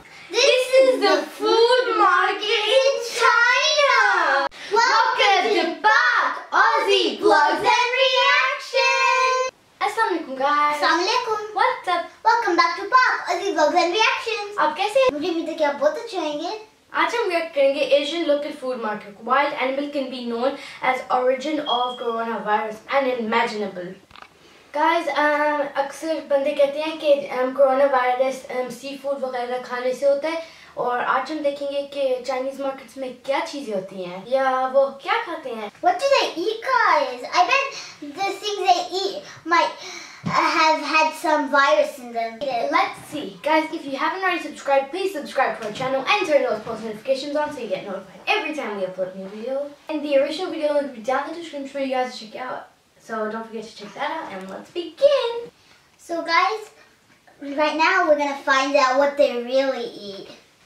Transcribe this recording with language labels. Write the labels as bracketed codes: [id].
[en] This is the food market in China. Welcome to PakOzzy Vlogs and Reactions. Assalamu alaikum, guys. Assalamu alaikum. What's up? Welcome back to PakOzzy Vlogs and Reactions. How are you? [hi] Mujhe bhi to kya bahut acha hai. आज हम react करेंगे [en] Asian local food market wild animal can be known as origin of corona virus and imaginable guys [hi] अक्सर बंदे कहते हैं कि corona virus sea food वगैरह खाने से होता है और आज हम देखेंगे कि चाइनीज मार्केट्स में क्या चीजें होती हैं या वो क्या खाते हैं [en] What do they eat guys I bet the things they eat might have had some virus in them. Let's see. Guys, if you haven't already subscribed, please subscribe to our channel and turn those post notifications on so you get notified every time we upload a new video. And the original video will be down in the description for you guys to check out. So don't forget to check that out and let's begin. So guys, right now we're gonna find out what they really eat.